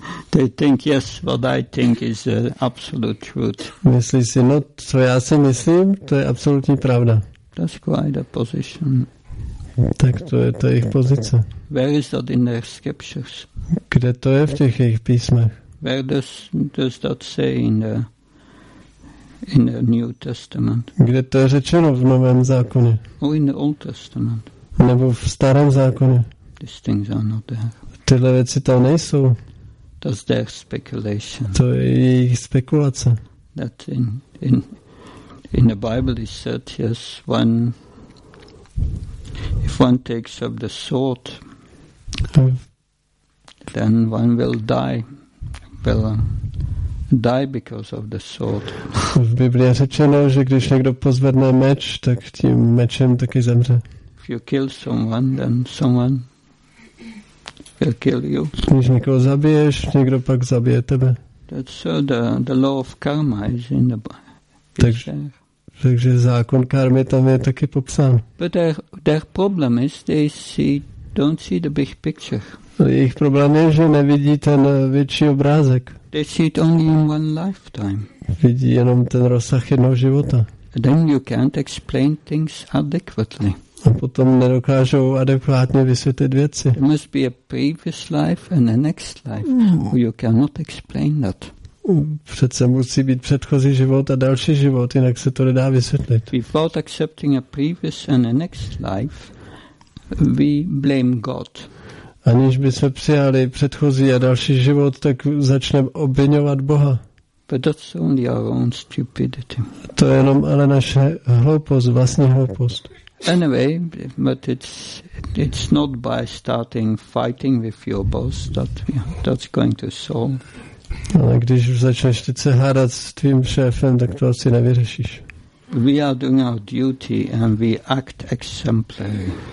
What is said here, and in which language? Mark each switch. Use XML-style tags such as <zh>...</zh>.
<en>They think, yes, what I think is the absolute truth.</en> <cs>Myslí si, no, co já si myslím, to je absolutní pravda.</cs> <en>That's quite a position.</en> <cs>Tak to je ta jejich pozice.</cs> <en>Where is that in their scriptures?</en> <cs>Kde to je v těch jejich písmech?</cs> <en>Where does that say in the New Testament?</en> <cs>Kde to je řečeno v Novém zákoně?</cs> <en>Oh, in the Old Testament.</en> <cs>Nebo v Starém zákoně?</cs> <en>These things are not there.</en> <cs>Tyhle věci tam nejsou.</cs> <en>That's their speculation.</en> <cs>To je jejich spekulace.</cs> <en>That in the Bible is said, yes, one, if one takes up the sword, then one will die. Well, die because of the sword.</en> <cs>V Biblii je řečeno, že když někdo pozvedne meč, tak tím mečem taky zemře.</cs> <en>If you kill someone, then someone will kill you.</en> <cs>Když někoho zabiješ, někdo pak zabije tebe.</cs> <en>That's so the law of karma is in the</en> <cs>Takže zákon karmy tam je taky popsán.</cs> <en>But their problem is they don't see the big picture.</en> <cs>Jejich problém je, že nevidí ten větší obrázek.</cs> <en>They see it only in one lifetime.</en> <cs>Vidí jenom ten rozsah jednoho života.</cs> <en>And then you can't explain things adequately.</en> <cs>A potom nedokážou adekvátně vysvětlit věci.</cs> <en>There must be a previous life and a next life. Mm. You cannot explain that.</en> <cs>Přece musí být předchozí život a další život, jinak se to nedá vysvětlit.</cs> <en>Without accepting a previous and a next life, we blame God.</en> <cs>Aniž by se přijali předchozí a další život, tak začneme obviňovat Boha.</cs> <en>But that's only our own stupidity.</en> <cs>To je jenom ale naše hloupost, vlastní hloupost.</cs> <en>Anyway, but it's not by starting fighting with your boss that's going to solve.</en> <cs>Ale když už začneš teď se hádat s tvým šéfem, tak to asi nevyřešíš.</cs> <en>We are doing our duty and we act exemplary.</en>